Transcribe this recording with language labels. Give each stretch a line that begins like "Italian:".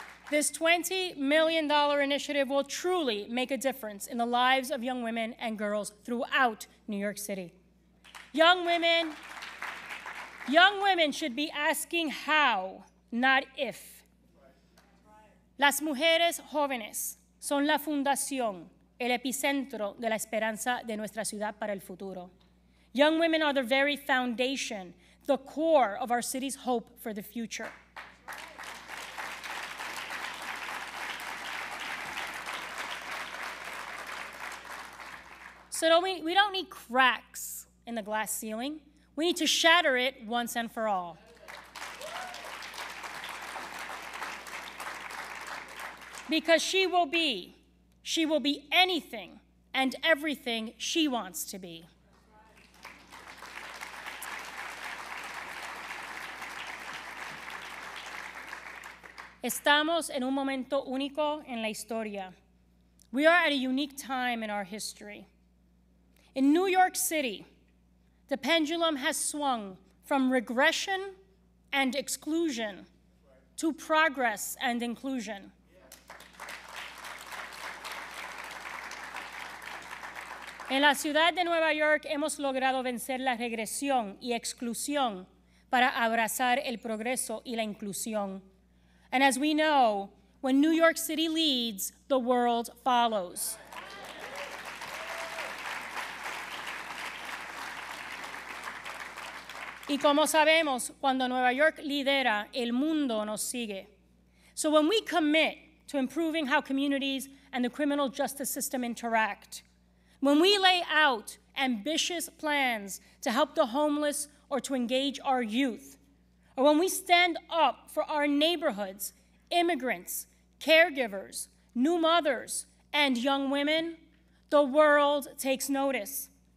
English: This $20 million initiative will truly make a difference in the lives of young women and girls throughout New York City. Young women should be asking how, not if.
Spanish: Las mujeres jóvenes son la fundación, el epicentro de la esperanza de nuestra ciudad para el futuro.
English: Young women are the very foundation, the core of our city's hope for the future. So we don't need cracks in the glass ceiling. We need to shatter it once and for all. Because she will be anything and everything she wants to be.
Spanish: Estamos en un momento único en la historia.
English: We are at a unique time in our history. In New York City, the pendulum has swung from regression and exclusion to progress and inclusion.
Spanish: En la ciudad de Nueva York hemos logrado vencer la regresión y exclusión para abrazar el progreso y la inclusión.
English: And as we know, when New York City leads, the world follows.
Spanish: Y como sabemos, cuando Nueva York lidera, el mundo nos sigue.
English: So when we commit to improving how communities and the criminal justice system interact, when we lay out ambitious plans to help the homeless or to engage our youth, or when we stand up for our neighborhoods, immigrants, caregivers, new mothers, and young women, the world takes notice.